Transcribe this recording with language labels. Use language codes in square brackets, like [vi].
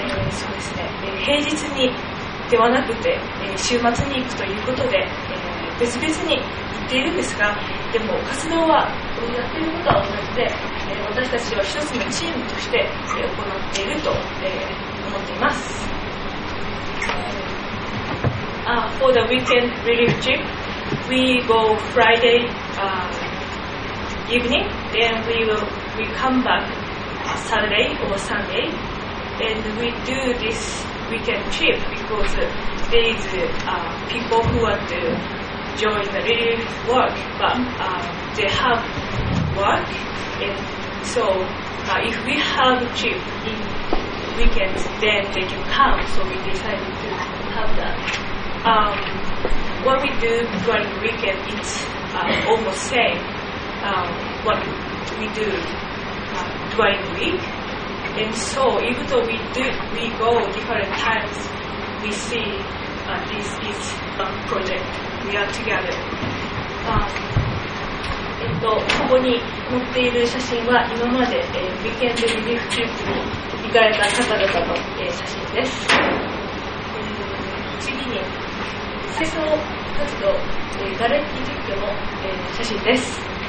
[ja] そうですね、平日にではなくて、週末に行くということで、別々に行っているんですが、でも活動はやっていることは同じで、私たちは一つのチームとして行っていると、思っています。 [en] For the weekend relief trip, we go Friday evening, then we come back Saturday or Sunday, and we do this weekend trip because there is people who want to join the relief work, but they have work, and so if we have a trip in weekends, then they can come, so we decided to have that. What we do during the weekend is almost same what we do during the week. And so even though we go different times, we see this is a project. We are together. [ja] ここに載っている写真は今まで、ウィーケンドリリーフチップに行かれた方々の、写真です。次に清掃活動、ガレッジ撤去の、写真です。